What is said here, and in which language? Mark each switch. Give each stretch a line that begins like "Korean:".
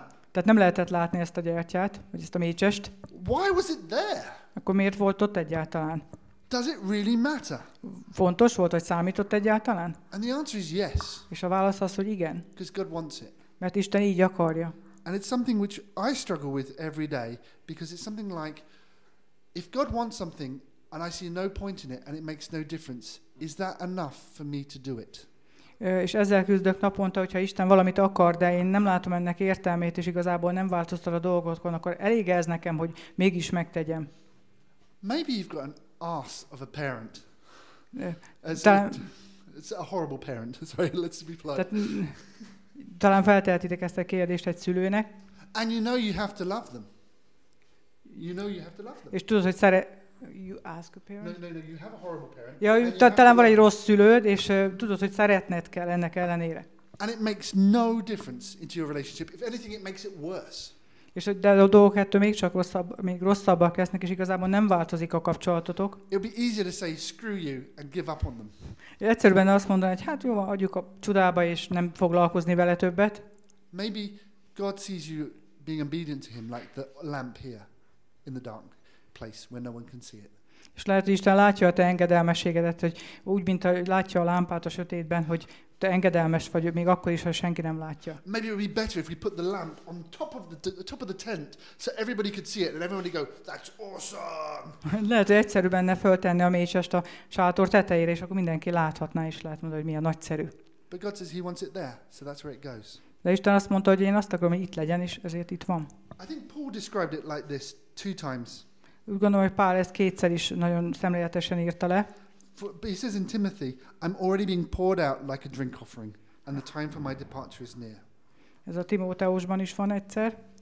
Hungarian: Tehát nem lehetett látni ezt a gyertyát, vagy ezt a mécsest.
English: Why was it there?
Hungarian: Akkor miért volt ott egyáltalán?
English: Does it really matter?
Hungarian: Fontos volt, vagy számított egyáltalán?
English: And the answer is yes.
Hungarian: És a válasz az, hogy igen.
English: Because God wants it.
Hungarian: Mert Isten így akarja.
English: And it's something which I struggle with every day, because it's something like, if God wants something and I see no point in it and it makes no difference, is that enough for me to do it?
Hungarian: És ezzel küzdök naponta, hogyha Isten valamit akar, de én nem látom ennek értelmét, és igazából nem változtat a dolgot, akkor elég ez nekem, hogy mégis megtegyem.
English: Maybe you've got an ass of a parent. It's a horrible parent. Sorry, let's be polite.
Hungarian: Talán feltehetitek ezt a kérdést egy szülőnek.
English: And you know you have to love them. You know you have to love them.
Hungarian: És tudod, hogy szeret...
English: You ask a parent? No, you have a horrible parent.
Hungarian: Ja, talán van egy rossz szülőd, és tudod, hogy szeretned kell ennek ellenére.
English: And it makes no difference into your relationship. If anything, it makes it worse.
Hungarian: És de a dolgok ettől még csak rosszabbak lesznek, és igazából nem változik a kapcsolatotok.
English: It'll be easier to say, screw you, and give up on them.
Hungarian: Egyszerűen azt mondani, hogy hát jó, adjuk a csodába, és nem foglalkozni vele többet.
English: Maybe God sees you being obedient to him, like the lamp here, in the dark place, where no one can see it.
Hungarian: És lehet, hogy Isten látja a te engedelmességedet, hogy úgy, mint a, látja a lámpát a sötétben, hogy te engedelmes vagy, még akkor is, ha senki nem látja.
English: Maybe it would be better if we put the lamp on top of the top of the tent, so everybody could see it, and everybody go, that's awesome.
Hungarian: Lehet, hogy egyszerűbb lenne föltenni a mécsest a sátor tetejére, és akkor mindenki láthatná, és lehet mondani, hogy milyen nagyszerű.
English: But God says he wants it there, so that's where it goes.
Hungarian: De Isten azt mondta, hogy én azt akarom, hogy itt legyen, és ezért itt van.
English: I think Paul described it like this two times.
Hungarian: Úgy gondolom, hogy Pál ezt kétszer is nagyon szemléletesen írta le.
English: He says in Timothy, I'm already being poured out like a drink offering, and the time for my departure is near.
Hungarian: Ez a Timóteusban is van egyszer.